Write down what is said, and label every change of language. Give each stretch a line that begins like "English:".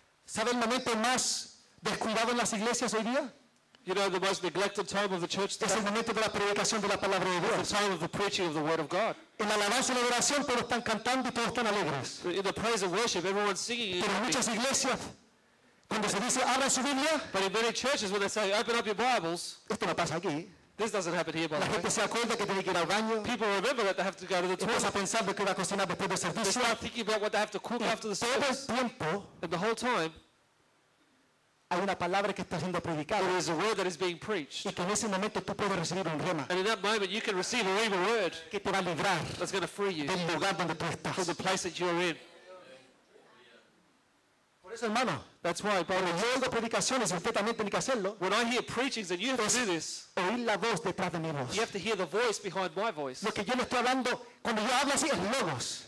Spanish: ¿Sabe el momento más descuidado en las iglesias hoy día?
English: You know the most neglected time of the church today.
Spanish: Es el momento de la predicación de la palabra de Dios.
English: It's the time of the preaching of the word of God.
Spanish: En la alabanza y la adoración todos están cantando y todos están alegres.
English: In the praise and worship, everyone's singing.
Spanish: Pero en muchas iglesias, cuando se dice abra su Biblia,
English: but in many churches when they say open up your Bibles,
Spanish: esto no pasa aquí.
English: This doesn't happen here, by the way. People remember that they have to go to the toilet. They start thinking about what they have to cook after the service. And the whole time, there is a word that is being preached. And in that moment, you can receive a rima word that's going to free you from the place that you're in. That's why, by the way,
Spanish: predicaciones, usted también tiene que hacerlo.
English: When I hear preachings and you have to do this,
Spanish: oír la voz detrás de mi voz.
English: You have to hear the voice behind my voice.
Spanish: Lo que yo le estoy hablando, cuando yo hablo así, es logos.